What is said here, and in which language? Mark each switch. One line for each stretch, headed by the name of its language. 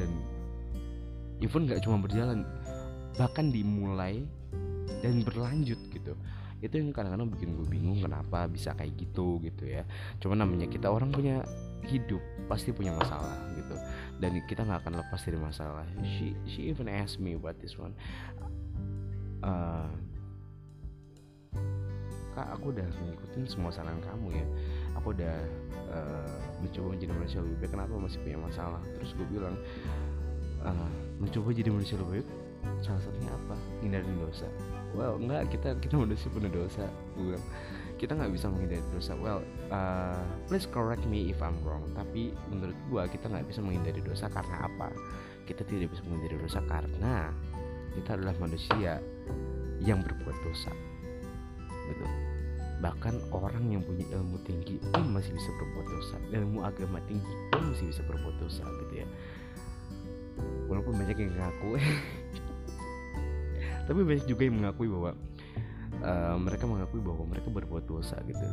Indonesian: Dan even gak cuma berjalan, bahkan dimulai dan berlanjut gitu. Itu yang kadang-kadang bikin gue bingung, kenapa bisa kayak gitu gitu ya. Cuma namanya kita orang punya hidup, pasti punya masalah gitu. Dan kita gak akan lepas dari masalah.
English: She even asked me about this one.
Indonesian: Kak, aku udah ngikutin semua saran kamu ya. Aku udah mencoba menjadi manusia lebih baik, kenapa masih punya masalah? Terus gue bilang, mencoba jadi manusia lebih baik, salah satunya apa? Hindarin dosa. Well, enggak, kita manusia punya dosa. Gue bilang, kita gak bisa menghindari dosa.
English: Well, please correct me if I'm wrong.
Indonesian: Tapi menurut gue, kita gak bisa menghindari dosa karena apa? Kita tidak bisa menghindari dosa karena kita adalah manusia yang berbuat dosa. Gitu. Bahkan orang yang punya ilmu tinggi pun masih bisa berbuat dosa. Ilmu agama tinggi pun masih bisa berbuat dosa gitu ya. Walaupun banyak yang ngakui, tapi banyak juga yang mengakui bahwa mereka mengakui bahwa mereka berbuat dosa gitu.